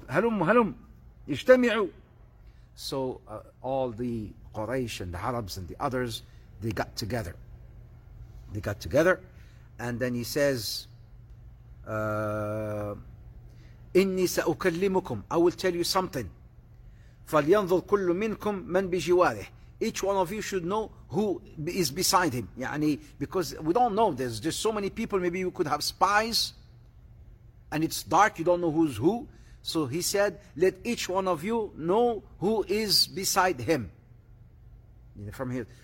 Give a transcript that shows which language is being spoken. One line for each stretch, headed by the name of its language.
Arabic: Halum, halum, ijtami'u.
English: So all the Quraysh and the Arabs and the others, they got together. They got together. And then he says,
Arabic: إني سأكلمكم.
English: I will tell you something.
Arabic: فلينظر كل منكم من بجواره.
English: Each one of you should know who is beside him. يعني, because we don't know. There's just so many people. Maybe you could have spies. And it's dark. You don't know who's who. So he said, let each one of you know who is beside him. You know, from here.